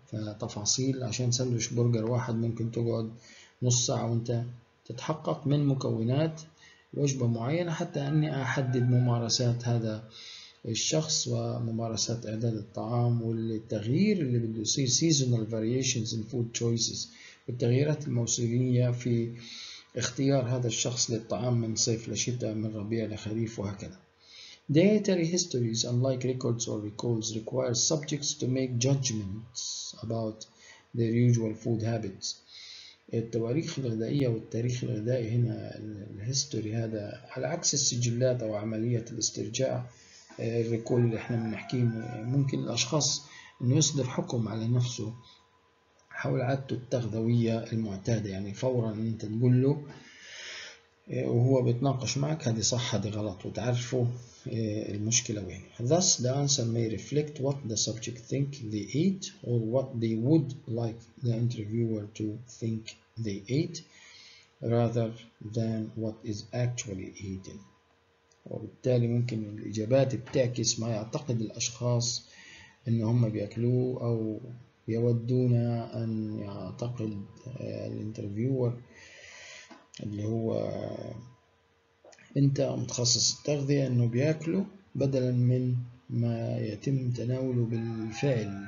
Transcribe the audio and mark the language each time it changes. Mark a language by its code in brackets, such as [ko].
[ar] فتفاصيل عشان سندويش برجر واحد ممكن تقعد نص ساعة وأنت تتحقق من مكونات وجبة معينة حتى أني أحدد ممارسات هذا الشخص وممارسات إعداد الطعام والتغيير اللي بده يصير، [en] seasonal variations in food choices، [ar] والتغييرات الموسمية في اختيار هذا الشخص للطعام من صيف لشتاء، من ربيع لخريف وهكذا. [en] Dietary histories, unlike records or recalls, require subjects to make judgments about their usual food habits. [ar] التواريخ الغذائية والتاريخ الغذائي هنا الهيستوري هذا على عكس السجلات أو عملية الاسترجاع الريكول اللي احنا بنحكيه، ممكن الأشخاص إنه يصدر حكم على نفسه حول عادته التغذوية المعتادة، يعني فورا أنت تقول له وهو بيتناقش معك هذه صح هذه غلط وتعرفوا المشكلة وين. [en] Thus the answer may reflect what the subject think they ate or what they would like the interviewer to think they ate rather than what is actually eaten. [ar] وبالتالي ممكن الإجابات بتعكس ما يعتقد الأشخاص إن هم بيأكلوه أو يودون أن يعتقد الانترفيور اللي هو انت متخصص التغذية انه بياكله بدلا من ما يتم تناوله بالفعل.